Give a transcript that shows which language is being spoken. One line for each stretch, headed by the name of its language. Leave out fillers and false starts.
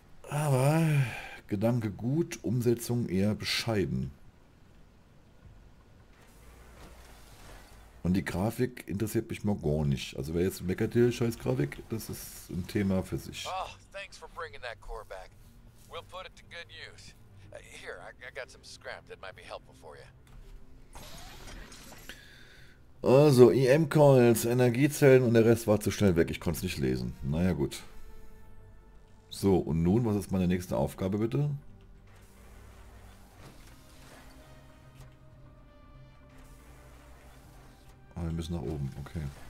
German: Aber Gedanke gut, Umsetzung eher bescheiden. Und die Grafik interessiert mich mal gar nicht. Also wer jetzt meckert, scheiß Grafik, das ist ein Thema für sich.
English: Oh, thanks for bringing that core back. We'll put it to good use. Here, I got some scrap that might be helpful for you.
German: Also, EM-Coils, Energiezellen und der Rest war zu schnell weg. Ich konnte es nicht lesen. Naja, gut. So, und nun, was ist meine nächste Aufgabe, bitte? Ah, wir müssen nach oben. Okay.